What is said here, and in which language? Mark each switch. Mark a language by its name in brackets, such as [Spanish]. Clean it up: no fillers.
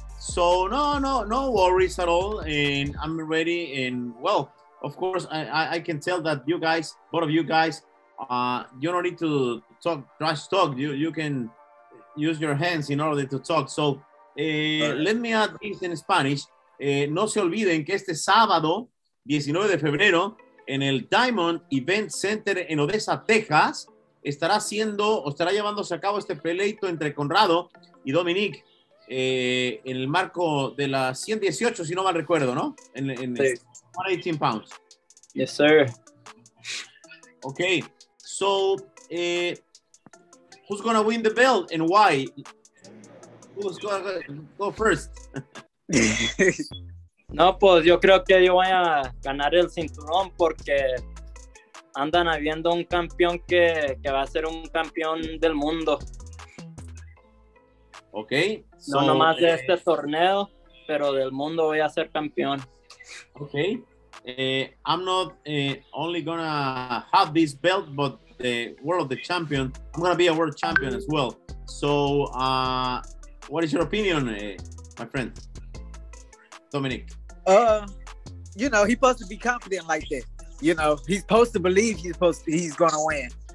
[English] So no worries at all, and I'm ready. And well, of course, I can tell that you guys, both of you guys, you don't need to talk trash talk. You can use your hands in order to talk. So let me add this in Spanish. [Spanish] No se olviden que este sábado, 19 de febrero, en el Diamond Event Center en Odessa, Texas, estará haciendo o estará llevándose a cabo este peleito entre Conrado y Dominique en el marco de la 118, si no mal recuerdo, ¿no? En sí. [English] 118 pounds. Yes, sir. Okay. So, who's going to win the belt and why? Who's going to go first? [Spanish] No, pues yo creo que yo voy a ganar el cinturón porque andan habiendo un campeón que va a ser un campeón del mundo. [English] Ok. [Spanish] So, no nomás de este torneo, pero del mundo voy a ser campeón. [English] Ok. I'm not only going to have this belt, but the world of the champion. I'm going to be a world champion as well. So, what is your opinion, my friend? Dominic. You know, he's supposed to be confident like that. You know, he's supposed to believe he's going to win.